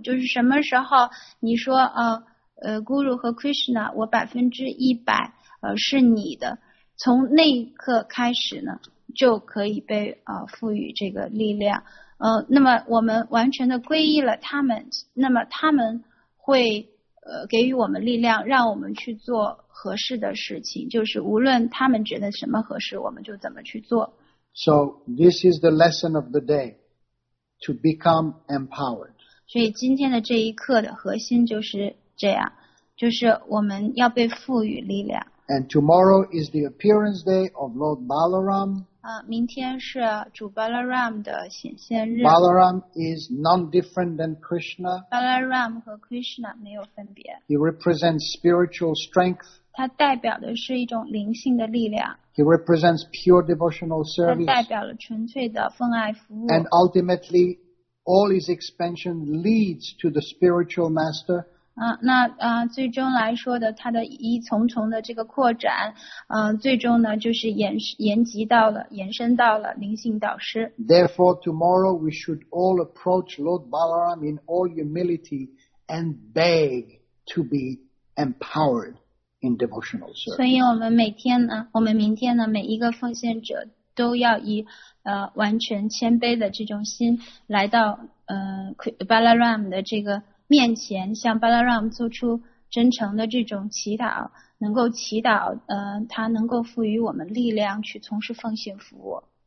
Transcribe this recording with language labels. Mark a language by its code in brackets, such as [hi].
[zh] 就是什么时候你说Guru 和 Krishna， 我100%是你的，从那一刻开始呢，就可以被赋予这个力量。那么我们完全的皈依了他们，那么他们会给予我们力量，让我们去做合适的事情，就是无论他们觉得什么合适，我们就怎么去做。 [en] So this is the lesson of the day, to become empowered. [zh] 所以今天的这一课的核心就是这样，就是我们要被赋予力量。 [en] And tomorrow is the appearance day of Lord Balaram. [zh] 明天是主 Balaram 的显现日。 [en] Balaram is none different than Krishna. [zh] Balaram 和 Krishna 没有分别。 [en] He represents spiritual strength. [zh] 它代表的是一种灵性的力量。 [en] He represents pure devotional service. [zh] 它代表了纯粹的奉爱服务。 [en] And ultimately, all his expansion leads to the spiritual master. [zh] 最终来说的它的一重重的这个扩展最终呢就是延伸到了灵性导师。 [en] Therefore, tomorrow we should all approach Lord Balaram in all humility and beg to be empowered in devotional service. [zh] 所以我们明天呢每一个奉献者都要以完全谦卑的这种心来到Balaram 的这个面前，向 Balaram 做出真诚的这种祈祷，能够祈祷他能够赋予我们力量去从事奉献服务。